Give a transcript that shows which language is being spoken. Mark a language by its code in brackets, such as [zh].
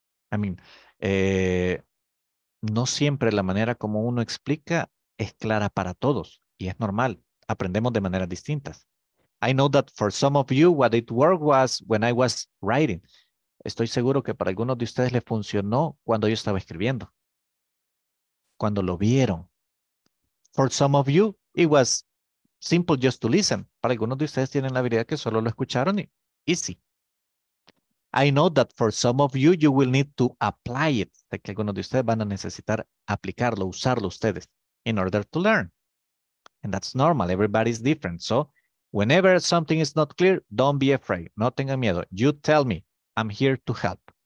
[en] I mean, [es] no siempre la manera como uno explica es clara para todos y es normal, aprendemos de maneras distintas. [en] I know that for some of you what it worked was when I was writing. [es] Estoy seguro que para algunos de ustedes les funcionó cuando yo estaba escribiendo, cuando lo vieron. [en] For some of you it was simple just to listen. [es] Para algunos de ustedes tienen la habilidad que solo lo escucharon y [en] easy. I know that for some of you, you will need to apply it. [es] De que algunos de ustedes van a necesitar aplicarlo, usarlo ustedes, [en] in order to learn. And that's normal. Everybody's different. So whenever something is not clear, don't be afraid. [es] No tenga miedo. [en] You tell me. I'm here to help.